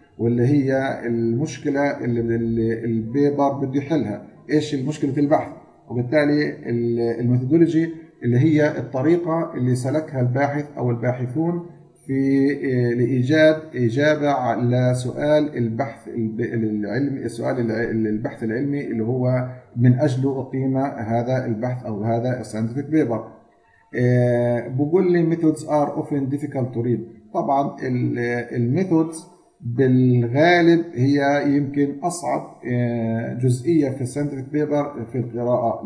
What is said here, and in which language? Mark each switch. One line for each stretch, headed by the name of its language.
Arabic: واللي هي المشكلة اللي من البيبر بده يحلها، ايش المشكلة في البحث، وبالتالي الميثودولوجي اللي هي الطريقة اللي سلكها الباحث او الباحثون في لإيجاد إجابة على سؤال البحث العلمي، السؤال البحث العلمي اللي هو من اجله أقيم هذا البحث او هذا الساينتفك بيبر. بقول لي
English: methods are often difficult to read.
Arabic: طبعا الميثودز بالغالب هي يمكن أصعب جزئية في scientific paper في القراءة.